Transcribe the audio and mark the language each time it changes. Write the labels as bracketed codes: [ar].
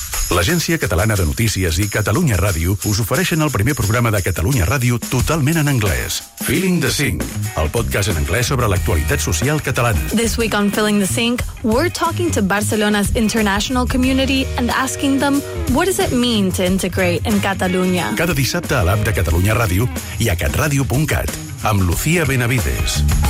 [ca] L'Agència Catalana de Notícies i Catalunya Ràdio us ofereixen el primer programa de Catalunya Ràdio totalment en anglès. Feeling the Sink, el podcast en anglès sobre l'actualitat social catalana. [en] This week on Feeling the Sink, we're talking to Barcelona's international community and asking them what does it mean to integrate in Catalunya. [ca] Cada dissabte a l'app de Catalunya Ràdio i a catradio.cat amb Lucía Benavides.